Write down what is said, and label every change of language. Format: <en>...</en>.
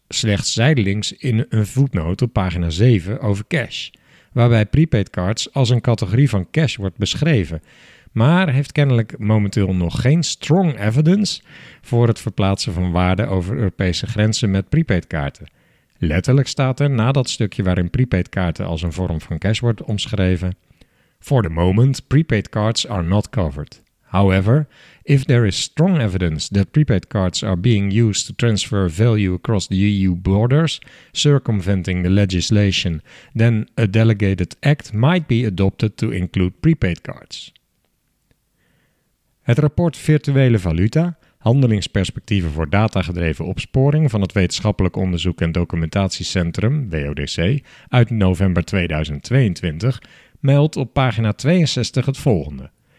<nl>slechts zijdelings in een voetnoot op pagina 7 over cash, waarbij prepaid cards als een categorie van cash wordt beschreven, maar heeft kennelijk momenteel nog geen strong evidence voor het verplaatsen van waarde over Europese grenzen met prepaid kaarten. Letterlijk staat er na dat stukje waarin prepaid kaarten als een vorm van cash wordt omschreven:</nl> <en>"For the moment, prepaid cards are not covered. However, if there is strong evidence that prepaid cards are being used to transfer value across the EU borders, circumventing the legislation, then a delegated act might be adopted to include prepaid cards."</en> <nl>Het rapport Virtuele Valuta, Handelingsperspectieven voor datagedreven opsporing van het Wetenschappelijk Onderzoek en Documentatiecentrum, WODC, uit november 2022, meldt op pagina 62 het volgende.</nl>